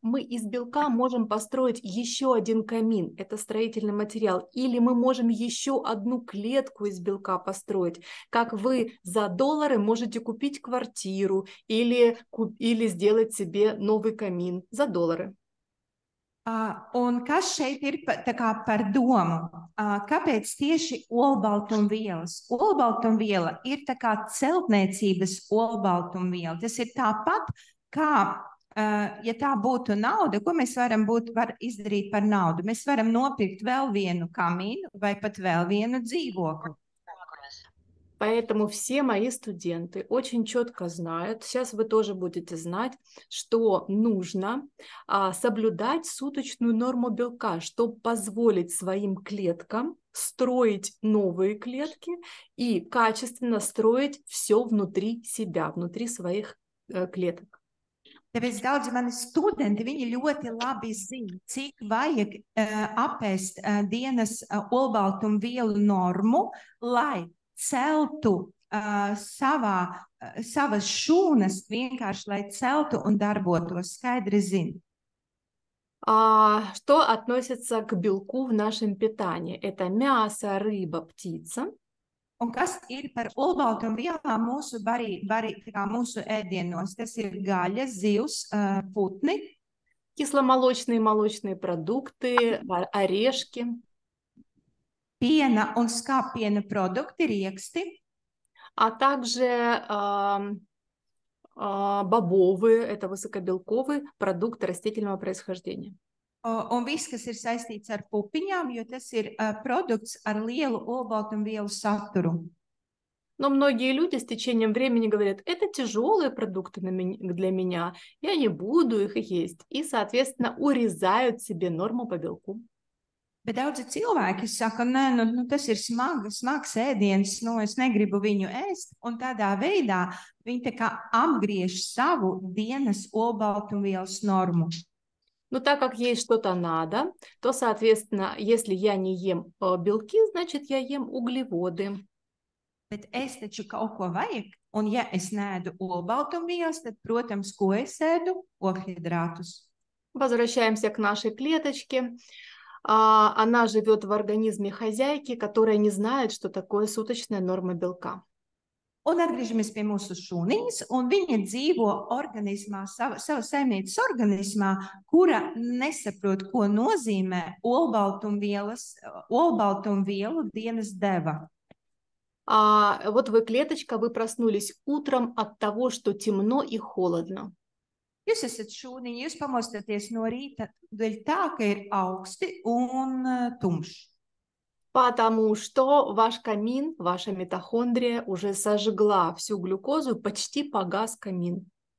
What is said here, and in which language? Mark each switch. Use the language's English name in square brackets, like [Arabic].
[Russian] Мы из белка можем построить еще один камин. Это строительный материал. Или мы можем еще одну клетку из белка построить. Как вы за доллары можете купить квартиру или сделать себе новый камин за доллары. [Latvian] Un kas šeit ir tā kā par domu? Kāpēc tieši olbaltumvielas? Olbaltumviela ir tā kā celtniecības olbaltumviela. Tas ir tāpat, kā, ja tā būtu nauda, ko mēs varam izdarīt par naudu? Mēs varam nopirkt vēl vienu kamīnu vai pat vēl vienu dzīvokli. [Russian] Поэтому все мои студенты очень четко знают, сейчас вы тоже будете знать, что нужно соблюдать суточную норму белка, чтобы позволить своим клеткам строить новые клетки и качественно строить все внутри себя, внутри своих клеток. [Latvian] Tāpēc daudzi mani studenti, viņi ļoti labi zina, cik vajag apēst dienas olbaltumvielu normu, lai celtu savas šūnas, vienkārši lai celtu un darbotos, skaidri zina. [Russian] Что относится к белку в нашем питании? Это мясо, рыба, птица. [Latvian] Un kas ir par olbaltumvielām mūsu mūsu ēdienos? Tas ir gaļa, zivs, putni. [Russian] Кисломолочные молочные продукты, орешки. [Latvian] Piena un skāpiena produkti, rieksti. [Russian] А также бобовые, это высокобелковые продукты растительного происхождения. [Latvian] Un viss, kas ir saistīts ar pupiņām, jo tas ir produkts ar lielu olbaltumvielu saturu. [Russian] Но многие люди с течением времени говорят, это тяжелые продукты для меня, я не буду их есть. И, соответственно, урезают себе норму по белку. [Latvian] Bet daudzi cilvēki saka, nē, nu tas ir smags ēdiens, nu es negribu viņu ēst. Un tādā veidā viņi tā kā apgriež savu dienas olbaltumvielas normu. [Russian] Ну, так как есть что-то надо, то, соответственно, если я не ем белки, значит, я ем углеводы. [Latvian] Bet es taču kaut ko vajag, un ja es neēdu olbaltumvielas, tad, protams, ko es ēdu? Oglīdrātus. [Russian] Возвращаемся к нашей клеточке. Она живет в организме хозяйки, которая не знает, что такое суточная норма белка. [Latvian] Un atgriežamies pie mūsu šūniņas, un viņa dzīvo organismā, savas saimnīcas organismā, kura nesaprot, ko nozīmē olbaltumvielu dienas deva. [Russian] Вот вы, клеточка, вы проснулись утром от того, что темно и холодно. [Latvian] Jūs esat šūniņi, jūs pamostaties no rīta, dēļ tā, ka ir auksti un tumšs. [Russian] Потому что ваш камин, ваша митохондрия уже сожгла всю глюкозу, почти погас камин.